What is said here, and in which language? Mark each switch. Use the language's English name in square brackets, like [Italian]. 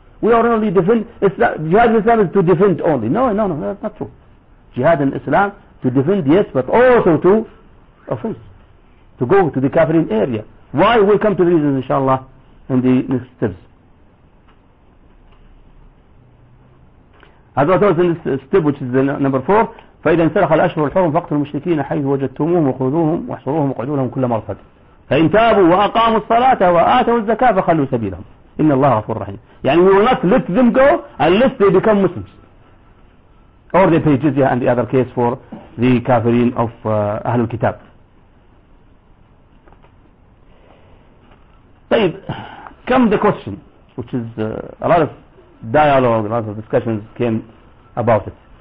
[English] We are only defend Islam. Jihad in Islam is to defend only. No, that's not true. Jihad in Islam to defend, yes, but also to offense, to go to the kafirin area. Why? We'll come to the reasons, inshallah, in the next steps. As I told us in this step, which is the number four, [Arabic] فَإِذَا انْسَلَخَ الْأَشْهُرُ الْحُرُمُ فَاقْتُلُوا الْمُشْرِكِينَ حَيْثُ وَجَدْتُمُوهُمْ وَخُذُوهُمْ وَاحْصُرُوهُمْ وَاقْعُدُوا لَهُمْ كُلَّ مَرْصَدٍ فَإِنْ تَابُوا وَأَقَامُوا الصَّلَاةَ وَآتَوُا الزَّكَاةَ فَخَلُّوا سَبِيلَهُمْ إِنَّ اللَّهَ غَفُورٌ رَّحِيمٌ. [English] يعني we will not let them go unless they become Muslims or they pay jizya and the other case for the kafirin of Ahlul Kitab. طيب, come the question, which is a lot of dialogue, a lot of discussions came about it.